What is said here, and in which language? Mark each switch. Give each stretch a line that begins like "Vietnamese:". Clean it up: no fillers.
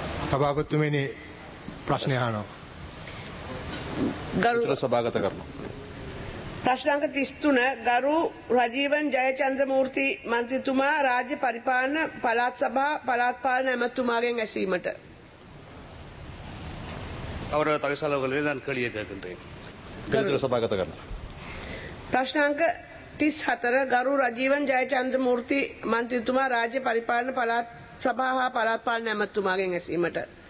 Sinhala: සභාපතිතුමනි ප්‍රශ්න අහනවා. ගරු සභාගත කරනවා. ප්‍රශ්න අංක 33 ගරු රජීවන් ජයචන්ද්‍ර මූර්ති මන්ත්‍රීතුමා රාජ්‍ය පරිපාලන පළාත් සභා පළාත් පාලන ඇමතුමාගෙන් ඇසීමට.
Tamil: அவரது தகசாளர்களே நான் கேள்வியை கேட்கின்றேன்.
Sinhala: ප්‍රශ්න අංක 34 ගරු රජීවන් ජයචන්ද්‍ර මූර්ති මන්ත්‍රීතුමා රාජ්‍ය පරිපාලන පළාත් සභා හා පළාත් පාලන ඇමතිතුමාගෙන් ඇසීමට.